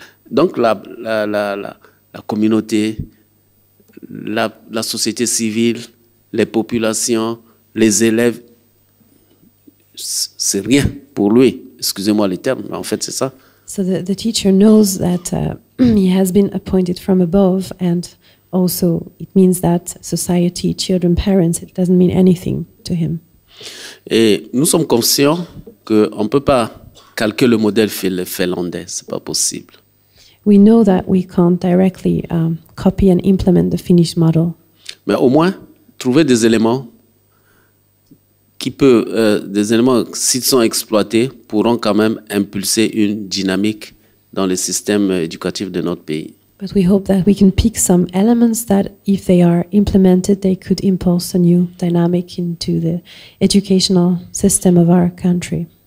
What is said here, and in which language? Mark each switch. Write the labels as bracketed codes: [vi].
[fr] Donc la communauté, la société civile, les populations, les élèves, c'est rien pour lui. Excusez-moi les termes, mais en fait c'est ça. [en] So the teacher knows that he has been appointed from above, and also it means that society, children, parents, it doesn't mean anything to him. [fr] Et nous sommes conscients qu'on ne peut pas calquer le modèle finlandais, ce n'est pas possible. [en] We know that we can't directly copy and implement the Finnish model. [fr] Mais au moins trouver des éléments qui peuvent, des éléments s'ils sont exploités pourront quand même impulser une dynamique dans le système éducatif de notre pays. [en] But we hope that we can pick some elements that, if they are implemented, they could impulse a new dynamic into the educational system of our country.